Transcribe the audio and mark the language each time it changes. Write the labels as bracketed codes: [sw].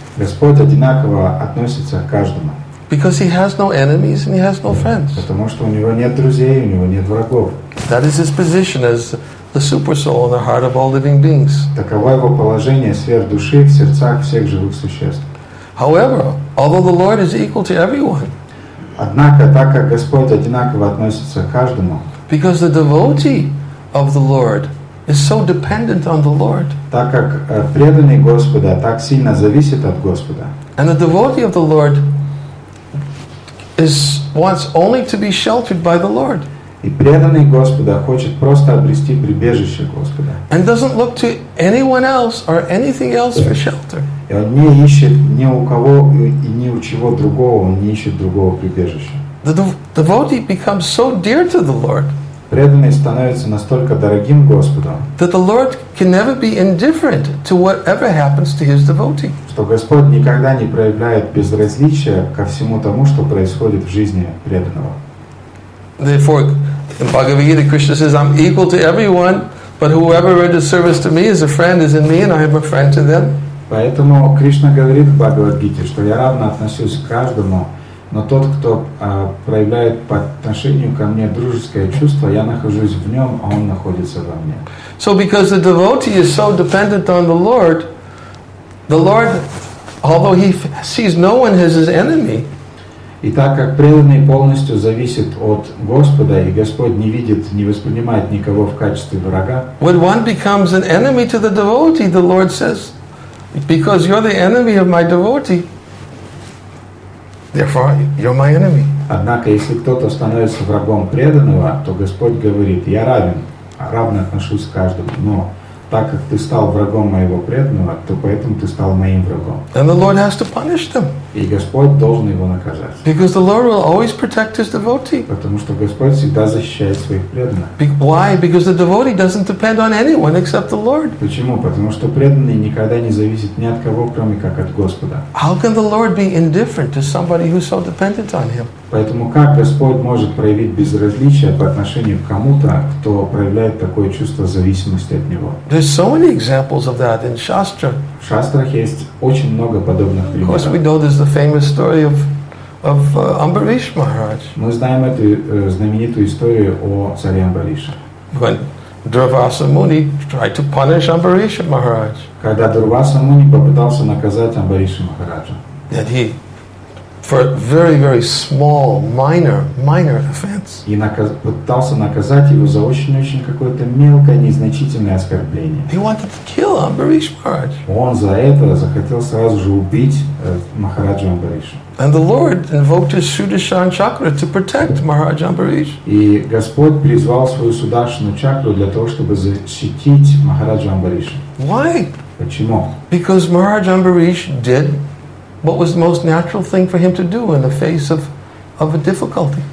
[ru] Господь одинаково относится к каждому. [en] Because He has no enemies and He has no friends. [ru] Потому что у него нет друзей, у него нет врагов. [en] That is His position as the super soul in the heart of all living beings. [ru] Таково его положение сверхдуши в сердцах всех живых существ. [en] However, although the Lord is equal to everyone. [ru] Однако, так как Господь одинаково относится к каждому. [en] Because the devotee of the Lord is so dependent on the Lord. [ru] Так как преданный Господа так сильно зависит от Господа. [en] And the devotee of the Lord is wants only to be sheltered by the Lord. [ru] И преданный Господа хочет просто обрести прибежище Господа. [en] And doesn't look to anyone else or anything else for shelter. [ru] И он не ищет ни у кого и ни у чего другого, он не ищет другого прибежища. [en] The devotee becomes so dear to the Lord. [ru] Преданный становится настолько дорогим Господу, [en] that the Lord can never be indifferent to whatever happens to his devotee. [ru] Что Господь никогда не проявляет безразличия ко всему тому, что происходит в жизни преданного. [en] Therefore, in Bhagavad Gita, Krishna says, "I'm equal to everyone, but whoever renders service to me as a friend is in me, and I am a friend to them." [ru] Поэтому Кришна говорит в Бхагавад Гите, что я равно отношусь к каждому, но тот, кто проявляет по отношению ко мне дружеское чувство, я нахожусь в нем, а он находится во мне. [en] So, because the devotee is so dependent on the Lord, although he sees no one as his enemy. [ru] И так как преданный полностью зависит от Господа, и Господь не видит, не воспринимает никого в качестве врага. [en] When one becomes an enemy to the devotee, the Lord says, because you're the enemy of my devotee, therefore you're my enemy. [ru] Однако, если кто-то становится врагом преданного, то Господь говорит, я равно отношусь к каждому, но так как ты стал врагом моего преданного, то поэтому ты стал моим врагом. [en] And the Lord has to punish them. [ru] И Господь должен его наказать. [en] Because the Lord will always protect his devotee. [ru] Потому что Господь всегда защищает своих преданных. [en] Why? Because the devotee doesn't depend on anyone except the Lord. [ru] Почему? Потому что преданный никогда не зависит ни от кого, кроме как от Господа. [en] How can the Lord be indifferent to somebody who's so dependent on him? [ru] Поэтому как Господь может проявить безразличие по отношению к кому-то, кто проявляет такое чувство зависимости от Него? [en] There's so many examples of that in Shastra. [ru] В шастрах есть очень много подобных примеров. [en] Of course, we know there's the famous story of Ambarish Maharaj. [ru] Мы знаем эту знаменитую историю о царе Амбарише. [en] When Durvasa Muni tried to punish Ambarish Maharaj. [ru] Когда Дурваса Муни попытался наказать Амбариша Махараджа. [en] That he for a very, very small, minor offense. [ru] И пытался наказать его за очень-очень какое-то мелкое, незначительное оскорбление. [en] He wanted to kill Ambarish Maharaj. [ru] Он за это захотел сразу же убить Махараджу Амбариша. [en] And the Lord invoked his Sudarshan Chakra to protect Maharaj Ambarish. [ru] И Господь призвал свою Сударшану Чакру для того, чтобы защитить Махараджу Амбариша. [en] Why? [ru] Почему? [en] Because Maharaj Ambarish did what was the most natural thing for him to do in the face of a difficulty?